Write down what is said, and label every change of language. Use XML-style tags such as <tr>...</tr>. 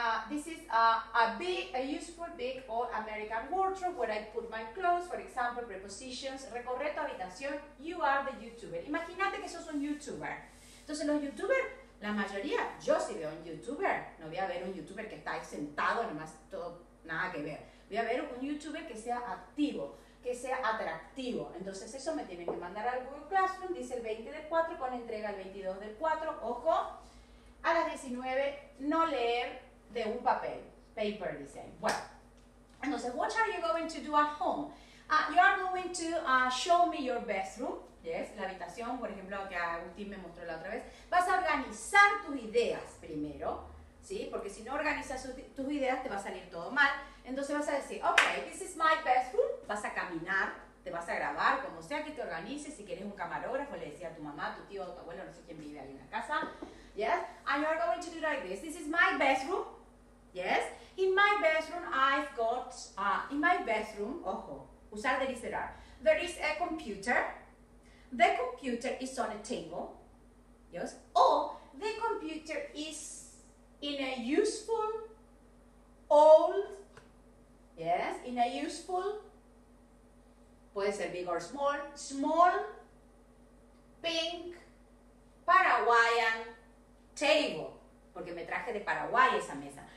<en>This is a useful big old American wardrobe where I put my clothes, for example, prepositions.</en> <es>Recorre tu habitación.</es> <en>You are the YouTuber.</en> <es>Imagínate que sos un YouTuber. Entonces, los YouTubers, la mayoría, yo sí veo un YouTuber. No voy a ver un YouTuber que está ahí sentado, nomás todo, nada que ver. Voy a ver un YouTuber que sea activo, que sea atractivo. Entonces, eso me tienen que mandar al Google Classroom. Dice el 20 del 4, con entrega el 22 del 4. Ojo. A las 19, no leer de un papel.</es> <en>Paper design.</en> <es>Bueno, entonces,</es> <en>what are you going to do at home? You are going to show me your bathroom.</en> <es>Yes, la habitación, por ejemplo, que Agustín me mostró la otra vez. Vas a organizar tus ideas primero, ¿sí? Porque si no organizas tus ideas, te va a salir todo mal. Entonces vas a decir,</es> <en>okay, this is my bathroom.</en> <es>Vas a caminar, te vas a grabar, como sea que te organices. Si quieres un camarógrafo, le decía a tu mamá, tu tío, tu abuelo, no sé quién vive ahí en la casa.</es> <en>Yes, and you're going to do like this. This is my bathroom. Yes, in my bathroom I've got, in my bathroom,</en> <es>ojo, usar de literar.</es> <en>There is a computer. The computer is on a table. Yes, or the computer is in a useful old, yes, in a useful,</en> <es>puede ser</es> <en>big or small, small pink Paraguayan table,</en> <es>porque me traje de Paraguay esa mesa.</es>